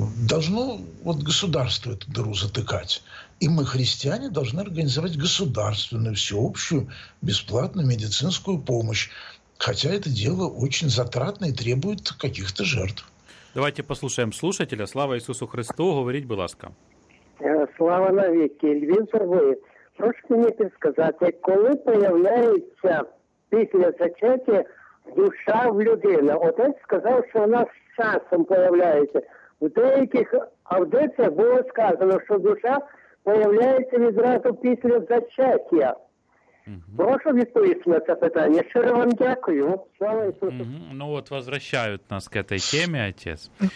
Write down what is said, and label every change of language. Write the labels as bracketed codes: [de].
[ru] Должно вот государство эту дыру затыкать. И мы, христиане, должны организовать государственную, всеобщую, бесплатную медицинскую помощь. Хотя это дело очень затратное и требует каких-то жертв. Давайте послушаем слушателя. Слава Иисусу Христу. [uk] Говорить, будь ласка. Слава навеки. Львів Сергій. Прошу мені підсказати, коли появляється після зачаття душа в людини? Отець сказав, що вона з часом появляється. В деяких аудиціях було сказано, що душа появляється відразу після зачаття. Прошу відповісти на це питання. Щиро вам дякую. Слава Ісусу. [ru] Ну от, возвращають нас к этой темі, отець.